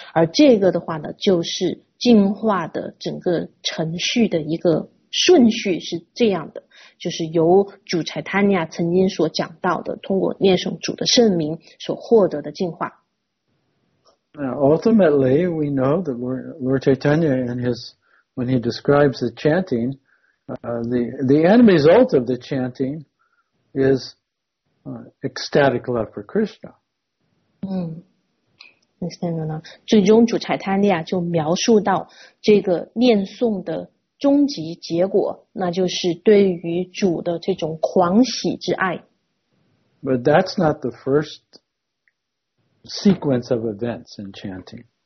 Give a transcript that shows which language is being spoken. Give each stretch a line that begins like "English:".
Chinese: 而这个的话呢，就是进化的整个程序的一个顺序是这样的，就是由主 Chaitanya 曾经所讲到的，通过念诵主的圣名所获得的进化。
English: Now, ultimately, we know that Lord Chaitanya, when he describes the chanting, the end result of the chanting is. Ecstatic love for Krishna. Understand?
Chinese: 最终主柴塔尼亚就描述到这个念诵的终极结果，那就是对于主的这种狂喜之爱。
English: But that's not the first sequence of events in chanting.